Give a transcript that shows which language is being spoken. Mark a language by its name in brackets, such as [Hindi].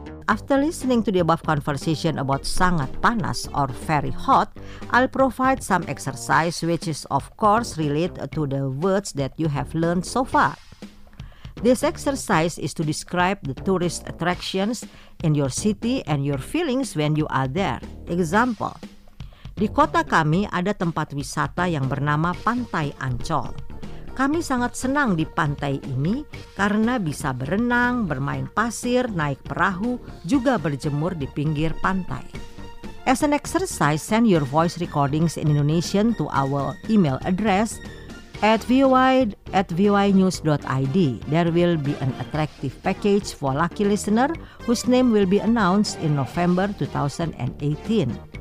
[English] After listening to the above conversation about sangat panas or very hot, I'll provide some exercise which is of course related to the words that you have learned so far. This exercise is to describe the tourist attractions in your city and your feelings when you are there. [Indonesian] Example, di kota kami ada tempat wisata yang bernama Pantai Ancol. Kami sangat senang di pantai ini karena bisa berenang, bermain pasir, naik perahu, juga berjemur di pinggir pantai. [English] As an exercise, send your voice recordings in Indonesian to our email address @voi@voinews.id. There will be an attractive package for lucky listener whose name will be announced in November 2018.